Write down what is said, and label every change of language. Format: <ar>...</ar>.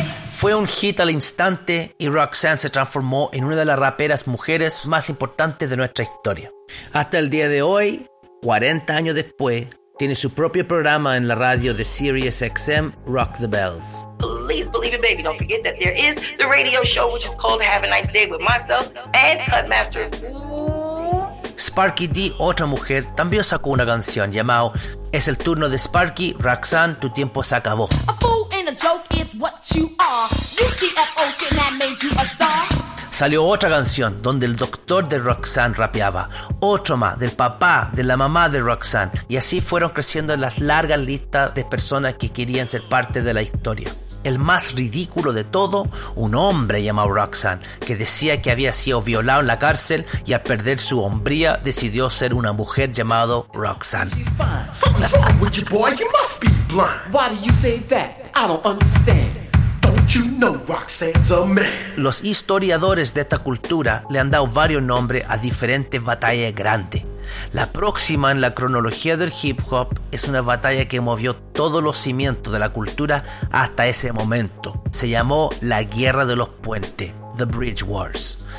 <es>Fue un hit al instante y Roxanne se transformó en una de las raperas mujeres más importantes de nuestra historia. Hasta el día de hoy, 40 años después, tiene su propio programa en la radio de Sirius XM, Rock the Bells.</es> <en>Please believe it, baby. Don't forget that there is the radio show, which is called Have a Nice Day with Myself and Cutmaster.</en> <es>Sparky D, otra mujer, también sacó una canción llamada Es el turno de Sparky, Roxanne, tu tiempo se acabó.</es> <en>A fool and a joke is what you are. UTFO shit that made you a star.</en> <es>Salió otra canción donde el doctor de Roxanne rapeaba, otro más del papá de la mamá de Roxanne, y así fueron creciendo las largas listas de personas que querían ser parte de la historia. El más ridículo de todo, un hombre llamado Roxanne, que decía que había sido violado en la cárcel y al perder su hombría decidió ser una mujer llamada Roxanne.</es> <en>Something's wrong with you, boy. You must be blind. Why do you say that? I don't understand. Don't</en> <es>Los historiadores de esta cultura le han dado varios nombres a diferentes batallas grandes. La próxima en la cronología del hip hop es una batalla que movió todos los cimientos de la cultura hasta ese momento. Se llamó la Guerra de los Puentes, The Bridge Wars.</es>